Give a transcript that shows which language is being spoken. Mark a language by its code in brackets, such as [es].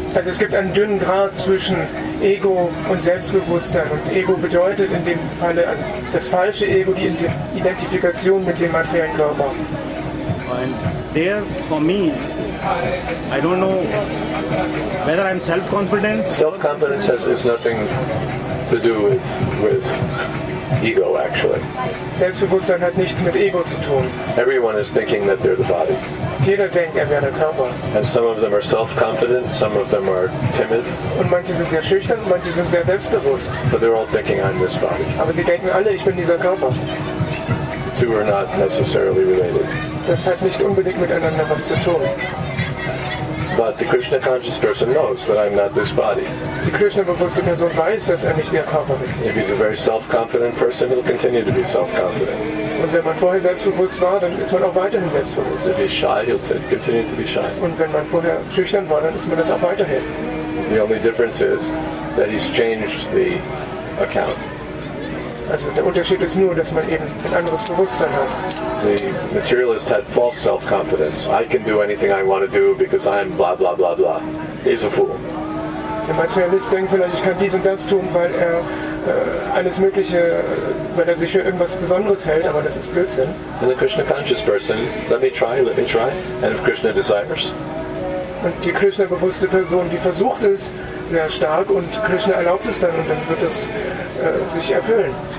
[de] Also es gibt einen dünnen Grat zwischen Ego und Selbstbewusstsein. Und Ego bedeutet in dem Falle, also das falsche Ego, die Identifikation mit dem materiellen Körper. [en] And there, for me, I don't know whether I'm self-confident. Self-confidence has nothing to do with ego, actually. [de] Selbstbewusstsein hat nichts mit Ego zu tun. [en] Everyone is thinking that they're the body. [de] Jeder denkt, er wäre der Körper. [en] And some of them are self-confident, some of them are timid. [de] Und manche sind sehr schüchtern, manche sind sehr selbstbewusst. [en] But they're all thinking, I'm this body. [de] Aber sie denken alle, ich bin dieser Körper. [en] The two are not necessarily related. [de] Das hat nicht unbedingt miteinander was zu tun. [en] But the Krishna conscious person knows that I'm not this body. [de] Die Krishna bewusste Person weiß, dass er nicht ihr Körper ist. [en] If he's a very self-confident person, he'll continue to be self-confident. [de] Und wenn man vorher selbstbewusst war, dann ist man auch weiterhin selbstbewusst. [en] If he's shy, he'll continue to be shy. [de] Und wenn man vorher schüchtern war, dann ist man das auch weiterhin. [en] The only difference is that he's changed the account. [de] Also der Unterschied ist nur, dass man eben ein anderes Bewusstsein hat. [en] The materialist had false self-confidence. I can do anything I want to do because I'm blah blah blah blah. He's a fool. [de] Der Materialist denkt vielleicht, ich kann dies und das tun, weil er alles Mögliche, weil er sich für irgendwas Besonderes hält, aber das ist Blödsinn. [en] And the Krishna conscious person, let me try, and if Krishna desires. [de] Und die Krishna bewusste Person, die versucht es sehr stark und Krishna erlaubt es dann und dann wird es sich erfüllen.